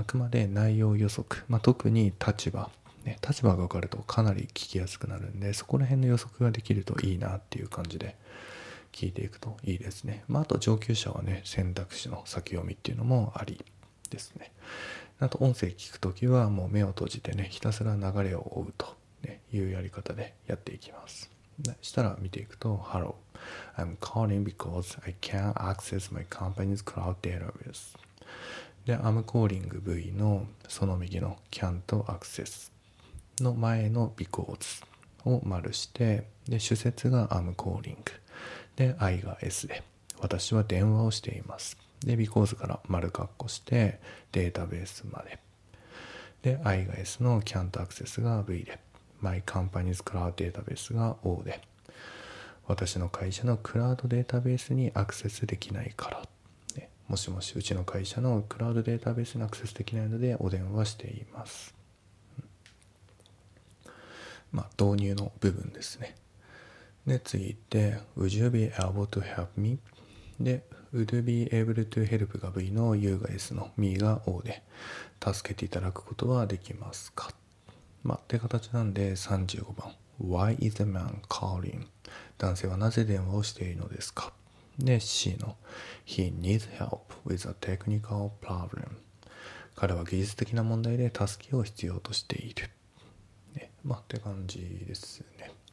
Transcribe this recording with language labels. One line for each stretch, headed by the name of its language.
Japanese: あくまで内容予測、まあ、特に立場、ね、立場が分かるとかなり聞きやすくなるんで、そこら辺の予測ができるといいなっていう感じで聞いていくといいですね。まあ、あと上級者はね、選択肢の先読みっていうのもありですね。あと音声聞くときはもう目を閉じてね、ひたすら流れを追うというやり方でやっていきます。したら見ていくと、
English: Hello, I'm calling because I can't access my company's cloud database.
Japanese: で、
English: I'm calling
Japanese: V のその右の can と access の前の because を丸して、で主節が I'm calling で、 I が S で、私は電話をしています。で because から丸括弧してデータベースまで、で I が S の can と access が V で、
English: My company's cloud database
Japanese: が O で、私の会社のクラウドデータベースにアクセスできないから、ね、もしもし、うちの会社のクラウドデータベースにアクセスできないのでお電話しています、うん、まあ導入の部分ですね。で次行って、
English: Would you be able to help me?
Japanese: で
English: Would you be able to help
Japanese: が V の U が S の Me が O で、助けていただくことはできますか、まあ、って形なんで、35番、
English: Why is a man calling?
Japanese: 男性はなぜ電話をしているのですか。で C の
English: He needs help with a technical problem。
Japanese: 彼は技術的な問題で助けを必要としている、ね、まあ、って感じですね。